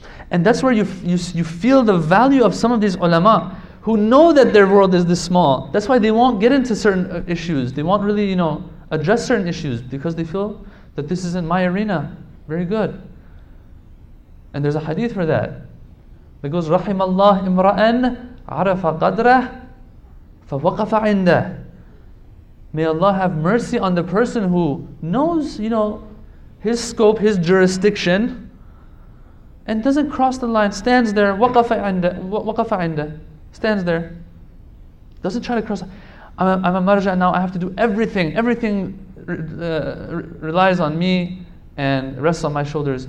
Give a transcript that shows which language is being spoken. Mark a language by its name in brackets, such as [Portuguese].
[English] And that's where you feel the value of some of these ulama who know that their world is this small. That's why they won't get into certain issues. They won't really, you know, address certain issues because they feel that this isn't my arena. Very good. And there's a hadith for that. It goes, [Arabic] رَحِمَ اللَّهِ إِمْرَأَنْ عَرَفَ قَدْرَهُ فَوَقَفَ عِنْدَهُ. [English] May Allah have mercy on the person who knows, you know, his scope, his jurisdiction, and doesn't cross the line, stands there, [Arabic] waqafa inda, [English] stands there, doesn't try to cross. I'm a marja now, I have to do everything. Everything relies on me and rests on my shoulders.